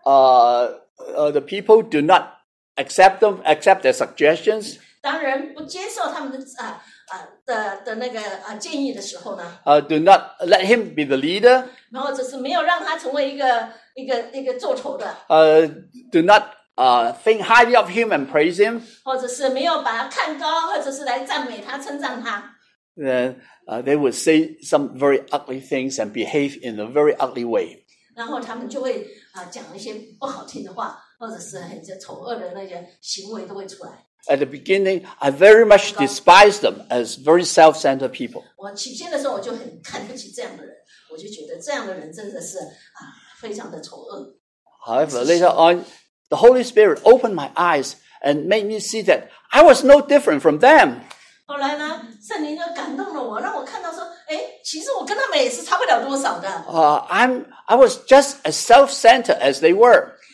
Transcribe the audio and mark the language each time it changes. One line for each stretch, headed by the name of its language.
English: When the people do not accept their suggestions,
Chinese: 当人不接受他们的那个建议的时候呢
English: ，do not let him be the leader，
Chinese: 然后就是没有让他成为一个做头的。
English: Do not think highly of him and praise him，
Chinese: 或者是没有把他看高，或者是来赞美他、称赞他。
English: Then they would say some very ugly things and behave in a very ugly way.
Chinese: 然后他们就会讲一些不好听的话，或者是很丑恶的那些行为都会出来。
English: At the beginning, I very much despised them as very self-centered people.
Chinese: 我起先的时候我就很看不起这样的人，我就觉得这样的人真的是非常的丑恶。
English: However, later on, the Holy Spirit opened my eyes and made me see that I was no different from them.
Chinese: 后来呢？圣灵就感动了我，让我看到说，哎，其实我跟他们也是差不了多少的。
English: I was just as self-centered as they were.